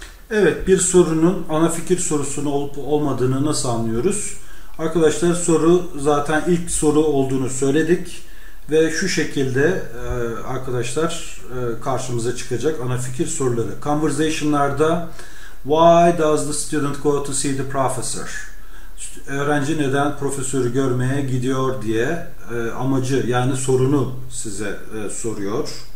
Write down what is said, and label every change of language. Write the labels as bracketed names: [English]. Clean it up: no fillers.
[Turkish] Evet, bir sorunun ana fikir sorusunu olup olmadığını nasıl anlıyoruz? Arkadaşlar, soru zaten ilk soru olduğunu söyledik ve şu şekilde arkadaşlar karşımıza çıkacak ana fikir soruları. [English] Conversation'larda why does the student go to see the professor? [Turkish] Öğrenci neden profesörü görmeye gidiyor diye amacı, yani sorunu size soruyor.